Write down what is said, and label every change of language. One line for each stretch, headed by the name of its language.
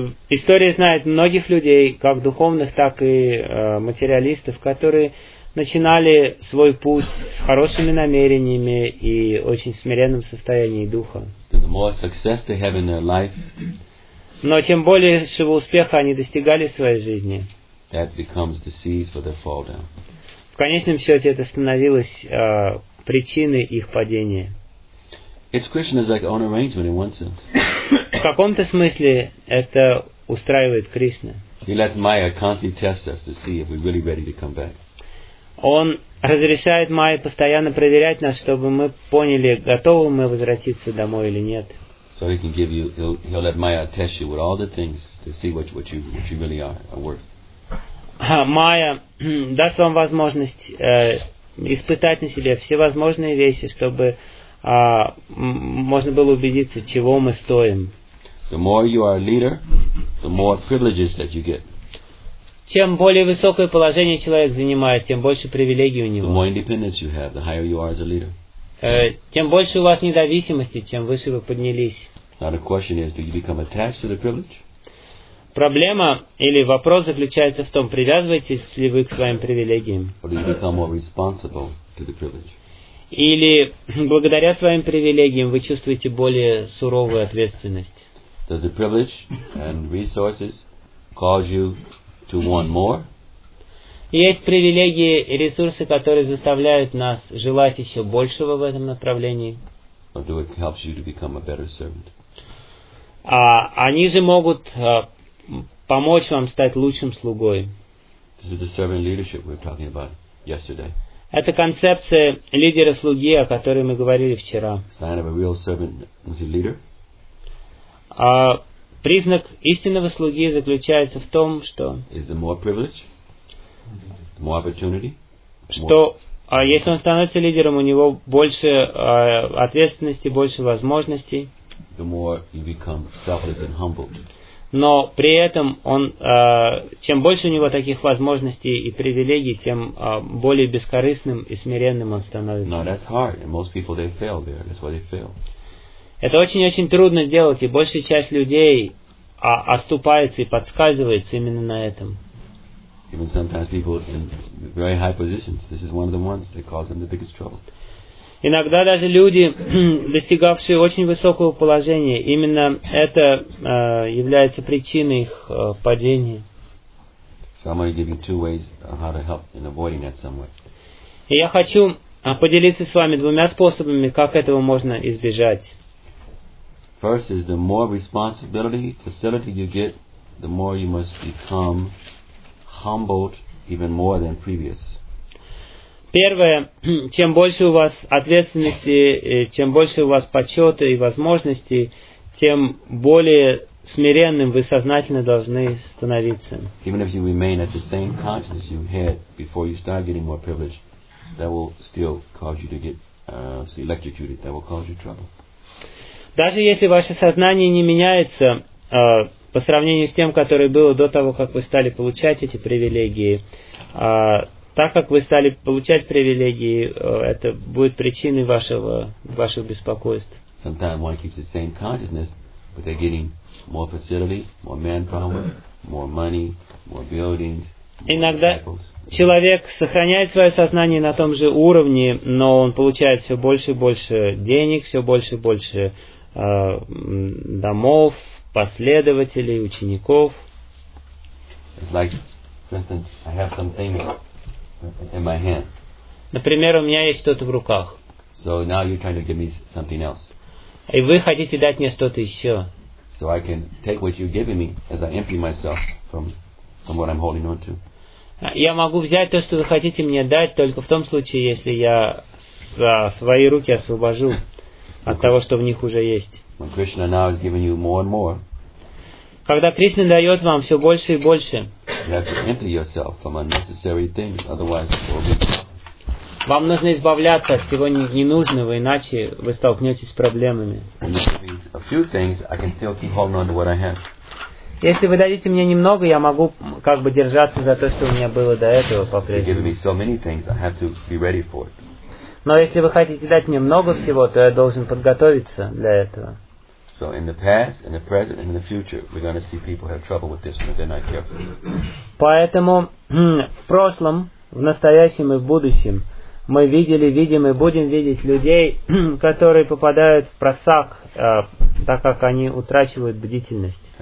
Russian: История знает многих людей, как духовных, так и материалистов, которые начинали свой путь с хорошими намерениями и очень смиренным состоянием духа.
English: The more success they have in their life,
Russian: но тем большего успеха они достигали в своей жизни,
English: that becomes the seeds for their fall down.
Russian: В конечном счете это становилось причиной их падения.
English: It's Krishna's like own arrangement in one sense.
Russian: В каком-то смысле это устраивает Кришна.
English: He lets Maya constantly test us to see if we're really ready to come back.
Russian: Он разрешает Майе постоянно проверять нас, чтобы мы поняли, готовы мы возвратиться домой или нет.
English: So he can give you, he'll let Maya test you with all the things to see what you really are worth.
Russian: Майя даст вам возможность испытать на себе все возможные вещи, чтобы можно было убедиться, чего мы стоим.
English: The more you are a leader, the more privileges that you get.
Russian: Чем более высокое положение человек занимает, тем больше привилегий у него.
English: The more independence you have, the higher you are as a leader.
Russian: Тем больше у вас независимости, чем выше вы поднялись.
English: Now the question is, do you become attached to the privilege?
Russian: Проблема или вопрос заключается в том, привязываетесь ли вы к своим привилегиям.
English: Or do you become more responsible to the privilege?
Russian: Или благодаря своим привилегиям вы чувствуете более суровую ответственность.
English: Does the privilege and resources cause you to want more?
Russian: Есть привилегии и ресурсы, которые заставляют нас желать еще большего в этом направлении.
English: Or do it helps you to become a better servant?
Russian: Они же могут помочь вам стать лучшим слугой.
English: This is the servant leadership we were talking about yesterday.
Russian: Это концепция лидера-слуги, о которой мы говорили вчера.
English: Sign of a real servant is a leader.
Russian: Признак истинного слуги заключается в том, что
English: is the more privilege, the more opportunity,
Russian: что если он становится лидером, у него больше ответственности, больше возможностей.
English: The more you become selfless and humbled.
Russian: Но при этом он, чем больше у него таких возможностей и привилегий, тем более бескорыстным и смиренным он становится.
English: No, that's hard. And most people, they fail there. That's why they fail.
Russian: Это очень-очень трудно делать, и большая часть людей оступается и подскальзывается именно на этом.
English: Even sometimes people in very high positions, this is one of the ones that cause them the biggest trouble.
Russian: Иногда даже люди, достигавшие очень высокого положения, именно это является причиной их падения.
English: So I'm going to give you two ways on how to help in avoiding that somewhere.
Russian: И я хочу поделиться с вами двумя способами, как этого можно избежать.
English: First is the more responsibility, facility you get, the more you must become humbled even more than previous.
Russian: Первое, чем больше у вас ответственности, чем больше у вас почета и возможностей, тем более смиренным вы сознательно должны становиться.
English: Even if you remain at the same consciousness you had before you start getting more privilege, that will still cause you to get electrocuted, that will cause you trouble.
Russian: Даже если ваше сознание не меняется по сравнению с тем, которое было до того, как вы стали получать эти привилегии, так как вы стали получать привилегии, это будет причиной ваших беспокойств.
English: Sometimes one keeps the same consciousness, but they're getting more facility, more manpower, more money, more buildings, more
Russian: Иногда
English: disciples.
Russian: Человек сохраняет свое сознание на том же уровне, но он получает все больше и больше денег, все больше и больше домов, последователей, учеников.
English: It's like, for instance, I have some things in my hand.
Russian: Например, у меня есть что-то в руках.
English: So now you're trying to give me something else.
Russian: И вы хотите дать мне что-то еще.
English: So I can take what you're giving me as I empty myself from what I'm holding on to.
Russian: Я могу взять то, что вы хотите мне дать, только в том случае, если я свои руки освобожу от того, что в них уже есть.
English: When Krishna now is giving you more and more.
Russian: Когда Кришна дает вам все больше и больше.
English: You have to empty yourself from unnecessary things, otherwise it will be possible.
Russian: Вам нужно избавляться от всего ненужного, иначе вы столкнетесь с проблемами. Если вы дадите мне немного, я могу как бы держаться за то, что у меня было до этого по-прежнему. Но если вы хотите дать мне много всего, то я должен подготовиться для этого.
English: So in the past, in the present, and in the future, we're going to see people have trouble with this if they're not careful.
Russian: Поэтому в прошлом, в настоящем и в будущем мы видели, видим и будем видеть людей, которые попадают в просак, так как они утрачивают бдительность.